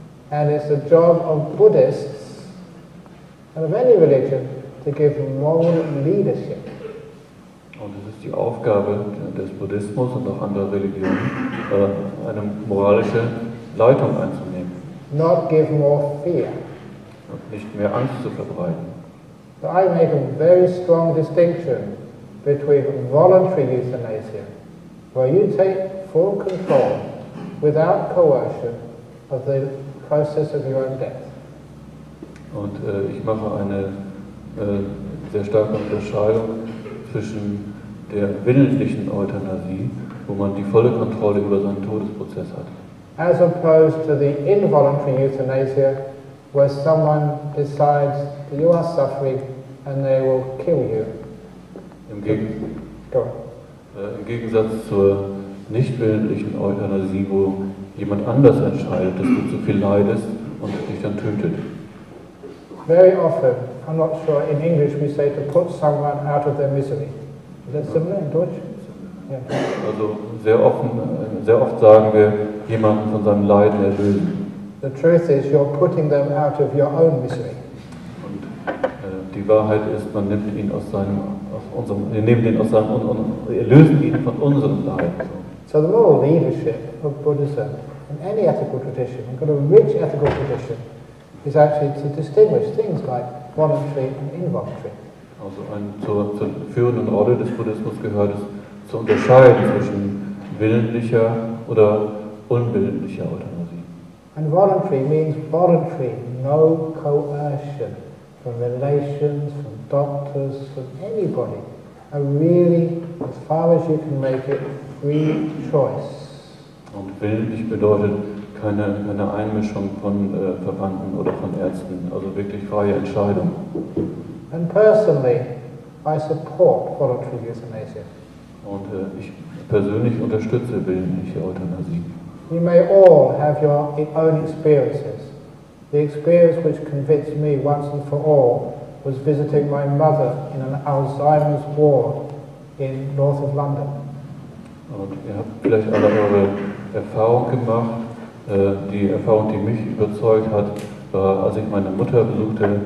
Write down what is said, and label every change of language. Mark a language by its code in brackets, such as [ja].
[en] And it's the job of Buddhists and of any religion to give moral leadership. [de] Und es ist die Aufgabe des Buddhismus und auch anderer Religionen, eine moralische Leitung einzunehmen. [en] Not give more fear. [de] Und nicht mehr Angst zu verbreiten. [en] So I make a very strong distinction between voluntary euthanasia, where you take full control without coercion of the process of your own death. [de] Und ich mache eine sehr starke Unterscheidung zwischen der willentlichen Euthanasie, wo man die volle Kontrolle über seinen Todesprozess hat. [en] As opposed to the involuntary euthanasia, where someone decides you are suffering and they will kill you. [de] Im Gegensatz zur nicht willentlichen Euthanasie, wo jemand anders entscheidet, dass du zu viel leidest und dich dann tötet. [en] Very often, I'm not sure in English we say to put someone out of their misery. Is that similar in Deutsch? Yeah. [de] Also sehr oft sagen wir, jemanden von seinem Leiden erlösen. [en] The truth is, you're putting them out of your own misery. [de] Und die Wahrheit ist, man nimmt ihn aus seinem, aus unserem, wir nehmen ihn aus seinem und erlösen ihn von unserem Leiden. [en] So the moral leadership of Buddhism in any ethical tradition, we've got a rich ethical tradition, is actually to distinguish things like voluntary and involuntary. [de] Also zur führenden Rolle des Buddhismus gehört es, zu unterscheiden zwischen willentlicher oder unwillentlicher Euthanasie. [en] And voluntary means voluntary, no coercion from relations, from doctors, from anybody. A really, as far as you can make it, free choice. [de] Und willentlich bedeutet keine Einmischung von Verwandten oder von Ärzten, also wirklich freie Entscheidung. [en] And personally, I support voluntary euthanasia. [de] Und ich persönlich unterstütze willentliche Euthanasie. [en] You may all have your own experiences. The experience which convinced me once and for all was visiting my mother in an Alzheimer's ward in north of London. [de] Und ihr habt vielleicht alle eure Erfahrung gemacht. Die Erfahrung, die mich überzeugt hat, war, als ich meine Mutter besuchte